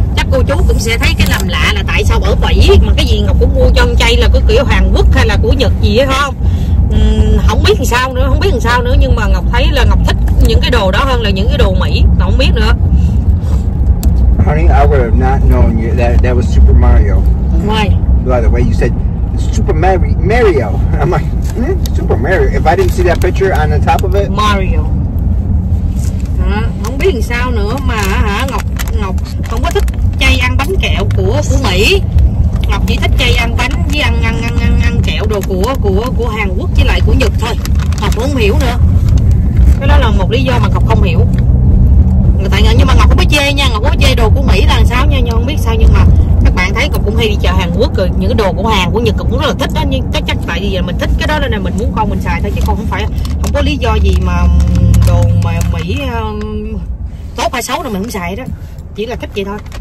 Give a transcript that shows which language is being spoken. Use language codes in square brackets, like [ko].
[vi] Chắc cô chú cũng sẽ thấy cái làm lạ là tại sao ở Mỹ mà cái gì Ngọc cũng mua cho con chay là của kiểu Hàn Quốc hay là của Nhật gì hay không? Không biết làm sao nữa nhưng mà Ngọc thấy là Ngọc thích những cái đồ đó hơn là những cái đồ Mỹ, Ngọc không biết nữa. [en] Honey, I would have not known you that was Super Mario. Why? By the way, you said Super Mario. I'm like, Super Mario. If I didn't see that picture on the top of it. Mario. [vi] Không biết làm sao nữa mà hả, Ngọc không có thích chay ăn bánh kẹo của Mỹ. Ngọc chỉ thích chay ăn bánh với ăn kẹo đồ của Hàn Quốc với lại của Nhật thôi. Ngọc không hiểu nữa. Cái đó là một lý do mà Ngọc không hiểu. Tại nhưng mà Ngọc không có chê nha, Ngọc có chê đồ của Mỹ là sao nha, nhưng không biết sao, nhưng mà các bạn thấy Ngọc cũng hay đi chợ Hàn Quốc rồi, những cái đồ của Hàn của Nhật cũng rất là thích đó, nhưng chắc tại vì mình thích cái đó nên là mình muốn con mình xài thôi, chứ không phải không có lý do gì mà đồ mà Mỹ tốt hay xấu là mình không xài đó, chỉ là thích vậy thôi.